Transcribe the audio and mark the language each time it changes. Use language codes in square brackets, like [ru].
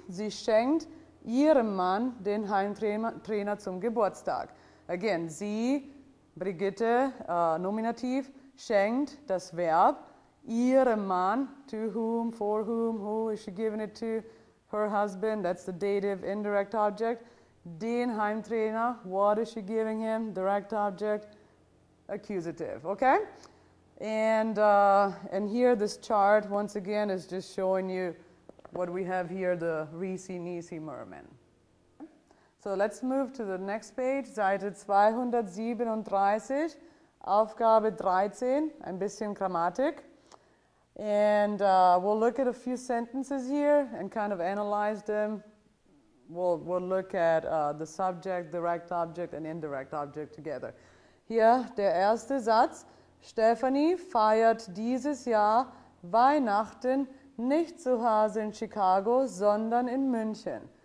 [de] Sie schenkt ihrem Mann den Heimtrainer zum Geburtstag. [en] Again, sie, Brigitte, Nominativ, [de] schenkt das Verb ihrem Mann, [en] to whom, for whom, who is she giving it to, her husband, that's the dative indirect object, [de] den Heimtrainer, [en] what is she giving him, direct object, accusative, okay? And here this chart, once again, is just showing you what we have here, the Risi Nisi Merman. So let's move to the next page, Seite 237, Aufgabe 13, [de] ein bisschen Grammatik. [en] And we'll look at a few sentences here and kind of analyze them. We'll look at the subject, direct object, and indirect object together. [de] Here, der erste Satz. Stephanie feiert dieses Jahr Weihnachten nicht zu Hause in Chicago, sondern in München.